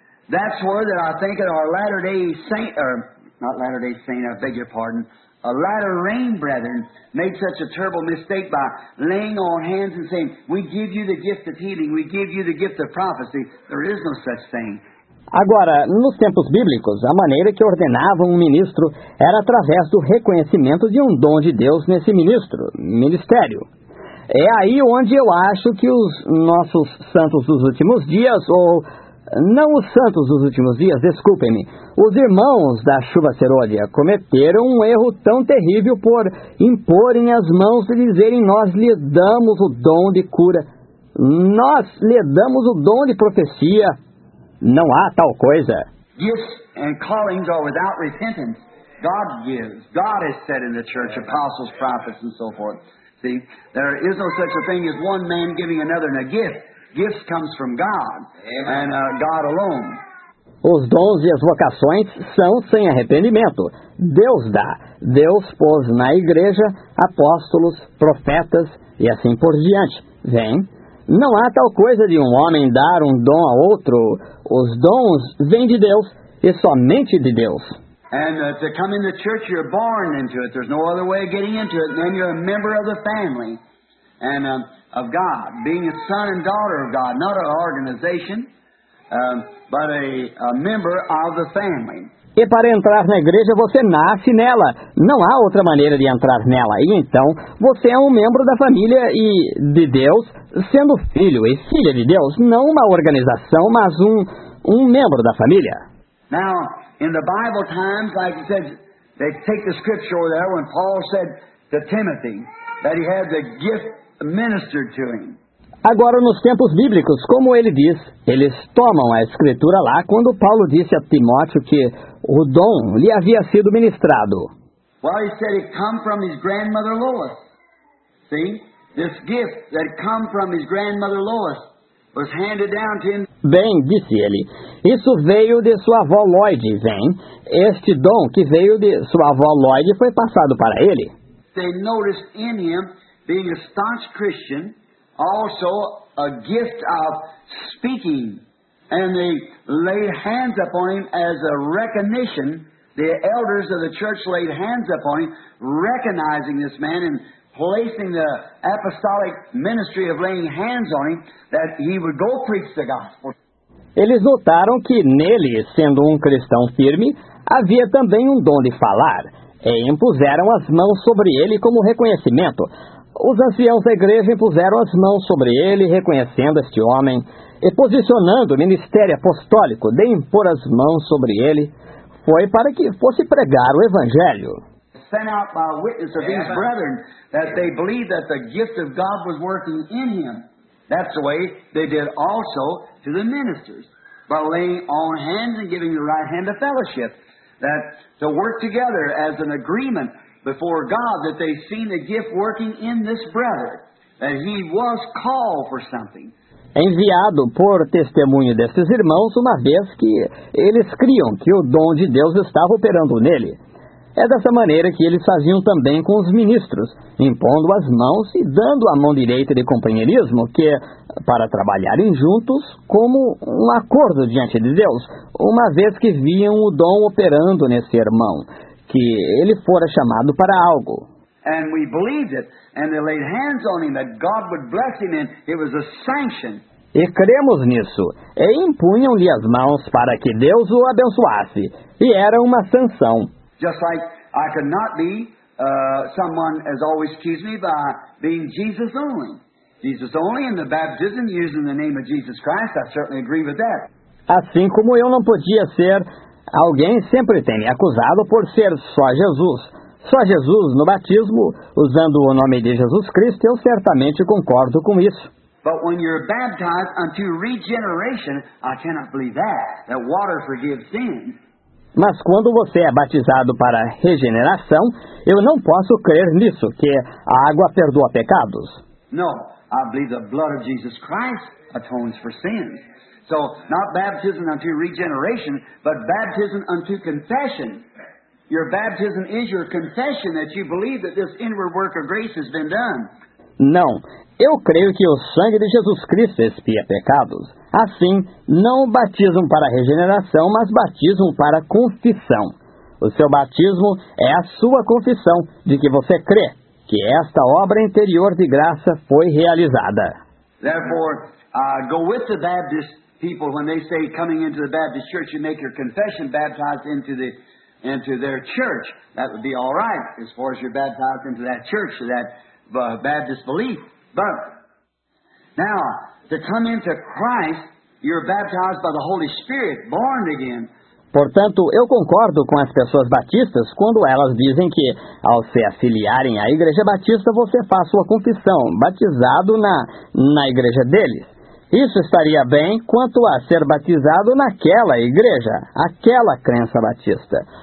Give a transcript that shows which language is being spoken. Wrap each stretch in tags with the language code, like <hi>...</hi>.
<en>That's where that I think that our Latter-day Saint, or not Latter-day Saint, I beg your pardon, a Latter Rain brethren made such a terrible mistake by laying on hands and saying, we give you the gift of healing, we give you the gift of prophecy. There is no such thing.</en> <pt>Agora, nos tempos bíblicos, a maneira que ordenavam um ministro era através do reconhecimento de um dom de Deus nesse ministro, ministério. É aí onde eu acho que os nossos santos dos últimos dias, ou... Não os santos dos últimos dias, desculpem-me. Os irmãos da chuva serôdia cometeram um erro tão terrível por imporem as mãos e dizerem nós lhe damos o dom de cura. Nós lhe damos o dom de profecia. Não há tal coisa.</pt> <en>Gifts and callings are without repentance. God gives. God has said in the church, apostles, prophets, and so forth. See, there is no such a thing as one man giving another a gift. Gifts comes from God, and God alone.</en> <pt>Os dons e as vocações são sem arrependimento. Deus dá. Deus pôs na igreja apóstolos, profetas e assim por diante. Vem. Não há tal coisa de um homem dar um dom a outro. Os dons vêm de Deus e somente de Deus.</pt> <en>And to come into church, you're born into it. There's no other way of getting into it. Then you're a member of the family. And of God, being a son and daughter of God, not an organization, but a member of the family.</en> <pt>E para entrar na igreja, você nasce nela. Não há outra maneira de entrar nela. E então, você é um membro da família e de Deus, sendo filho e filha de Deus, não uma organização, mas um membro da família.</pt> <en>Now, in the Bible times, like you said, they take the scripture there when Paul said to Timothy that he had the gift ministered to him.</en> <pt>Agora, nos tempos bíblicos, como ele diz, eles tomam a escritura lá quando Paulo disse a Timóteo que o dom lhe havia sido ministrado.</pt> <en>Well, he said it come from his grandmother Lois. See? This gift that come from his grandmother Lois was handed down to him.</en> <pt>Bem, disse ele, isso veio de sua avó Lloyd, vem. Este dom que veio de sua avó Lloyd foi passado para ele.</pt> <en>They noticed in him being a staunch Christian, also a gift of speaking. And they laid hands upon him as a recognition. The elders of the church laid hands upon him, recognizing this man and placing the apostolic ministry of laying hands on him, that he would go preach the gospel.</en> <pt>Eles notaram que nele, sendo cristão firme, havia também dom de falar. E impuseram as mãos sobre ele como reconhecimento. Os anciãos da igreja impuseram as mãos sobre ele, reconhecendo este homem e posicionando o ministério apostólico de impor as mãos sobre ele, foi para que fosse pregar o evangelho.</pt> <en>Sent out by witness of these brethren that they believed that the gift of God was working in him. That's the way they did also to the ministers, by laying on hands and giving the right hand of fellowship, that to work together as an agreement before God, that they seen the gift working in this brother, that he was called for something.</en> <pt>Enviado por testemunho desses irmãos, uma vez que eles criam que o dom de Deus estava operando nele. É dessa maneira que eles faziam também com os ministros, impondo as mãos e dando a mão direita de companheirismo, que é para trabalharem juntos como um acordo diante de Deus, uma vez que viam o dom operando nesse irmão, que ele fora chamado para algo.</pt> <en>And we believed it, and they laid hands on him that God would bless him, and it was a sanction.</en> <pt>E cremos nisso, e impunham-lhe as mãos para que Deus o abençoasse, e era uma sanção.</pt> <en>Just like I could not be someone has always accused me by being Jesus only. Jesus only in the baptism using the name of Jesus Christ, I certainly agree with that.</en> <pt>Assim como eu não podia ser, alguém sempre tem me acusado por ser só Jesus. Só Jesus no batismo, usando o nome de Jesus Cristo, eu certamente concordo com isso.</pt> <en>But when you're baptized unto regeneration, I cannot believe that water forgives sins.</en> <pt>Mas quando você é batizado para regeneração, eu não posso crer nisso, que a água perdoa pecados.</pt> <en>No, I believe the blood of Jesus Christ atones for sins. So, not baptism unto regeneration, but baptism unto confession. Your baptism is your confession that you believe that this inward work of grace has been done.</en> <pt>Não, eu creio que o sangue de Jesus Cristo expia pecados. Assim, não batizam para regeneração, mas batizam para confissão. O seu batismo é a sua confissão de que você crê que esta obra interior de graça foi realizada.</pt> <en>Therefore, go with the Baptist people when they say coming into the Baptist church you make your confession baptized into their church. That would be all right as far as you're baptized into that church or that Baptist belief. But now, to come into Christ, you're baptized by the Holy Spirit, born again.</en> <pt>Portanto, eu concordo com as pessoas batistas quando elas dizem que, ao se afiliarem à Igreja Batista, você faz sua confissão, batizado na igreja deles. Isso estaria bem quanto a ser batizado naquela igreja, aquela crença batista.</pt>